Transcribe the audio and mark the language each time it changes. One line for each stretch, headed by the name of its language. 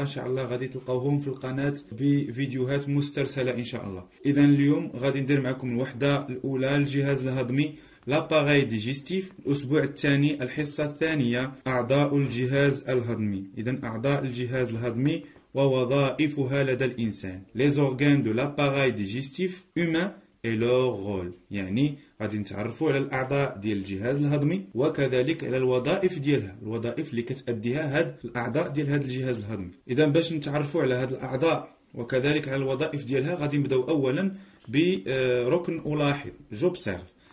Arabic: إن شاء الله غادي تلقاوهم في القناة بفيديوهات مسترسلة إن شاء الله. إذا اليوم غادي ندير معكم الوحدة الأولى، الجهاز الهضمي، لاباغاي ديجيستيف، الأسبوع الثاني، الحصة الثانية، أعضاء الجهاز الهضمي. إذا أعضاء الجهاز الهضمي ووظائفها لدى الإنسان.
French: Les organes de l'appareil digestif humain et leur rôle.
Arabic: يعني غادي نتعرفوا على الأعضاء ديال الجهاز الهضمي وكذلك على الوظائف ديالها، الوظائف اللي كتأديها هاد الأعضاء ديال هاد الجهاز الهضمي. إذا باش نتعرفوا على هاد الأعضاء وكذلك على الوظائف ديالها، غادي نبداو أولا بركن ألاحظ، جوبسيرف.